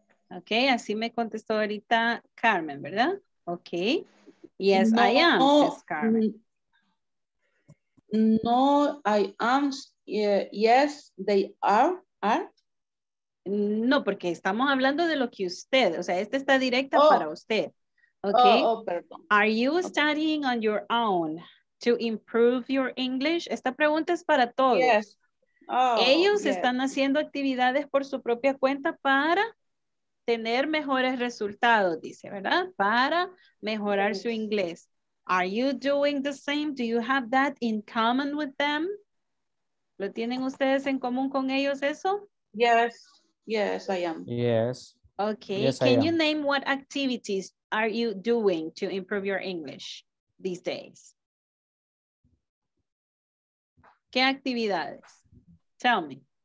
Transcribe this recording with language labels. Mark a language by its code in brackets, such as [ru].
[es] Okay, así me contestó ahorita Carmen, ¿verdad? Okay. [en] Yes, no, I am, says Carmen. No, I am. Yes, they are. [es] No, porque estamos hablando de lo que usted, o sea, esta está directa para usted. [en] Okay. Oh, are you studying on your own to improve your English? [es] Esta pregunta es para todos. [en] Yes. [es] Ellos están haciendo actividades por su propia cuenta para tener mejores resultados, dice, ¿verdad? Para mejorar su inglés. [en] Are you doing the same? Do you have that in common with them? [es] ¿Lo tienen ustedes en común con ellos eso? [en] Yes. Yes, I am. Yes. Okay. Yes, can you name what activities are you doing to improve your English these days? [es] ¿Qué actividades? [en] Tell me.